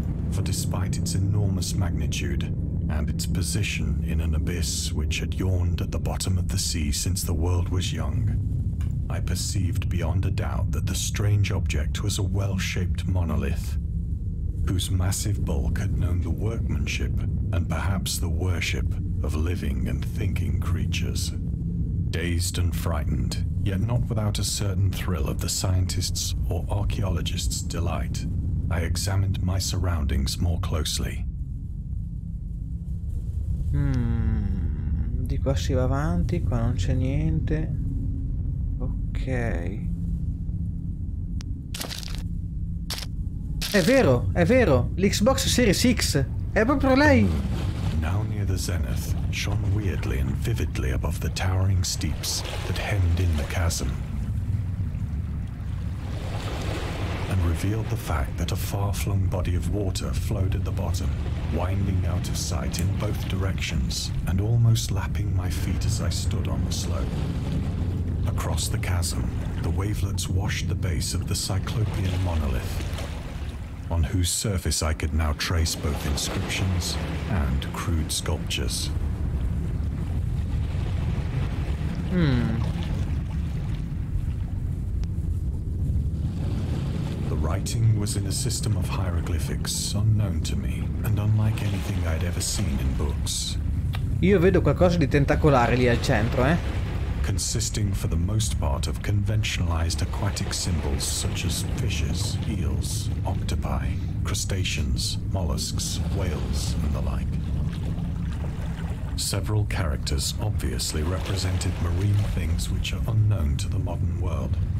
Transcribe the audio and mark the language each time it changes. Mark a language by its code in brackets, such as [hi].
[en] For despite its enormous magnitude and its position in an abyss which had yawned at the bottom of the sea since the world was young, I perceived beyond a doubt that the strange object was a well-shaped monolith, whose massive bulk had known the workmanship, and perhaps the worship, of living and thinking creatures. Dazed and frightened, yet not without a certain thrill of the scientist's or archaeologist's delight, I examined my surroundings more closely. Hmm. [it] Di qua si va avanti, qua non c'è niente. Ok. È vero, l'Xbox Series X è proprio lei. [en] Now near the zenith, shone weirdly and vividly above the towering steeps that hemmed in the chasm. And revealed the fact that a far-flung body of water flowed at the bottom, winding out of sight in both directions, and almost lapping my feet as I stood on the slope. Across the chasm, the wavelets washed the base of the Cyclopean monolith, on whose surface I could now trace both inscriptions and crude sculptures. Hmm. Writing was in a system of hieroglyphics unknown to me and unlike anything I'd ever seen in books. [it] Io vedo qualcosa di tentacolare lì al centro, eh? [en] Consisting for the most part of conventionalized aquatic symbols such as fishes, eels, octopi, crustaceans, mollusks, whales, and the like. Several characters obviously represented marine things which are unknown to the modern world.